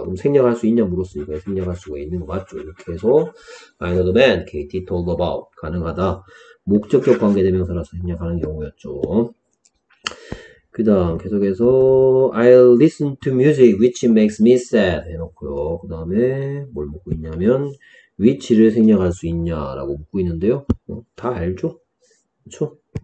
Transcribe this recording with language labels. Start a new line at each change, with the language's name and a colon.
Korean: 그럼 생략할 수 있냐 물었으니까 생략할 수가 있는 거 맞죠. 이렇게 해서,
English: I know the man, KT told about.
Korean: 가능하다. 목적격 관계되면서라서 생략하는 경우였죠. 그 다음 계속해서
English: I'll listen to music which makes me sad
Korean: 해놓고요. 그 다음에 뭘 묻고 있냐면 which를 생략할 수 있냐라고 묻고 있는데요. 다 알죠? 그쵸?